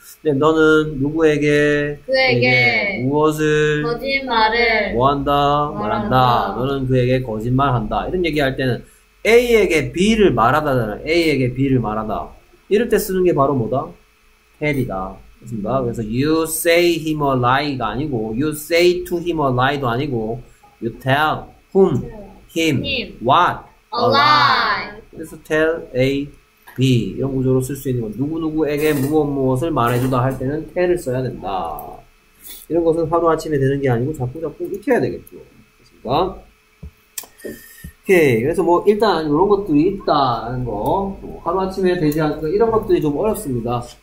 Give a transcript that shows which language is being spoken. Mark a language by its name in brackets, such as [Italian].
[Korean] 근데 너는 누구에게? 그에게. 무엇을? 거짓말을. 뭐한다? 말한다. 너는 그에게 거짓말한다. 이런 얘기할 때는 A에게 B를 말하다잖아. A에게 B를 말하다. 이럴 때 쓰는 게 바로 뭐다? tell이다. 맞습니다. 그래서 [English] you say him a lie가 [Korean] 아니고 [English] you say to him a lie도 아니고 you tell whom him what a lie. [Korean] 그래서 tell A B 이런 구조로 쓸 수 있는 건 누구누구에게 무엇 무엇을 말해주다 할 때는 tell을 써야 된다. 이런 것은 하루아침에 되는 게 아니고 자꾸자꾸 익혀야 되겠죠. 맞습니다. 오케이. 그래서 뭐 일단 이런 것들이 있다는 거 하루아침에 되지 않고 이런 것들이 좀 어렵습니다.